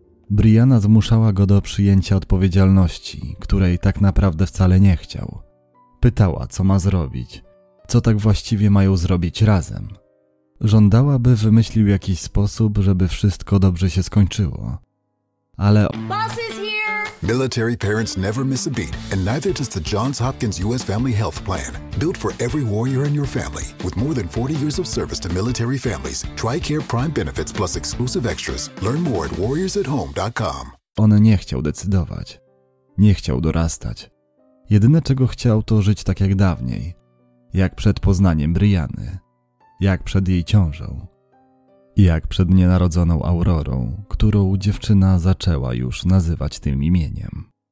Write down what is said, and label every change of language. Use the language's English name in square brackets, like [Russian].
[Polish] Briana zmuszała go do przyjęcia odpowiedzialności, której tak naprawdę wcale nie chciał. Pytała, co ma zrobić, co tak właściwie mają zrobić razem. Żądała, by wymyślił jakiś sposób, żeby wszystko dobrze się skończyło. Ale... [English] Boss is here! Military parents never miss a beat, and neither does the Johns Hopkins U.S. Family Health Plan. Built for every warrior in your family, with more than 40 years of service to military families, TRICARE Prime Benefits plus exclusive extras. Learn more at warriorsathome.com. [Polish] On nie chciał decydować. Nie chciał dorastać. Jedyne, czego chciał, to żyć tak jak dawniej. Jak przed poznaniem Briany. Jak przed jej ciążą. Jak przed nienarodzoną Aurorą, którą dziewczyna zaczęła już nazywać tym imieniem.